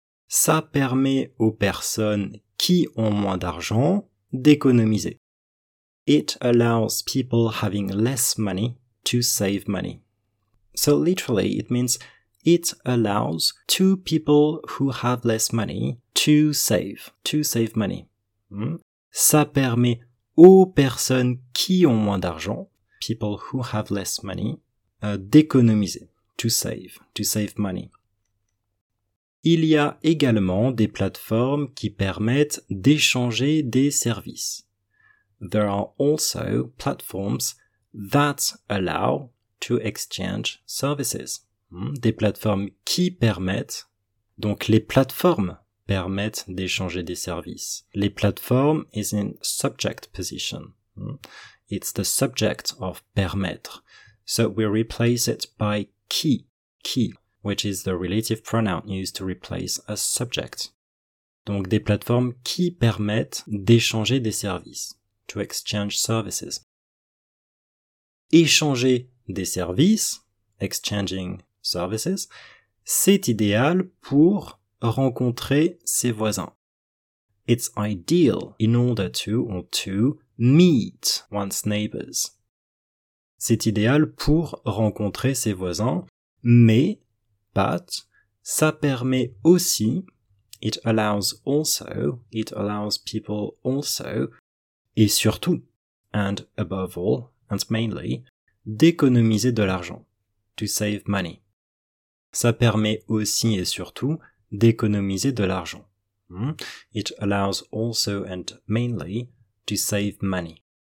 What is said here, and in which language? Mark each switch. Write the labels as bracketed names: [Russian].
[French] Ça permet aux personnes qui ont moins d'argent d'économiser. [English] It allows people having less money to save money. So literally, it means it allows two people who have less money to save money. [French] Ça permet aux personnes qui ont moins d'argent, [English] people who have less money, [French] d'économiser, [English] to save money. [French] Il y a également des plateformes qui permettent d'échanger des services. [English] There are also platforms that allow to exchange services. [French] Des plateformes qui permettent, donc les plateformes permettent d'échanger des services. [English] Les plateformes is in subject position. It's the subject of permettre. So we replace it by qui, which is the relative pronoun used to replace a subject. [French] Donc des plateformes qui permettent d'échanger des services. [English] To exchange services. [French] Échanger des services, [English] exchanging services, [French] c'est idéal pour rencontrer ses voisins. [English] It's ideal in order to meet one's neighbors. [French] C'est idéal pour rencontrer ses voisins, mais, [English] but, [French] ça permet aussi, [English] it allows people also, [French] et surtout, [English] and above all, and mainly, [French] d'économiser de l'argent, [English] to save money. [French] Ça permet aussi et surtout d'économiser de l'argent. [English] It allows also and mainly to save money.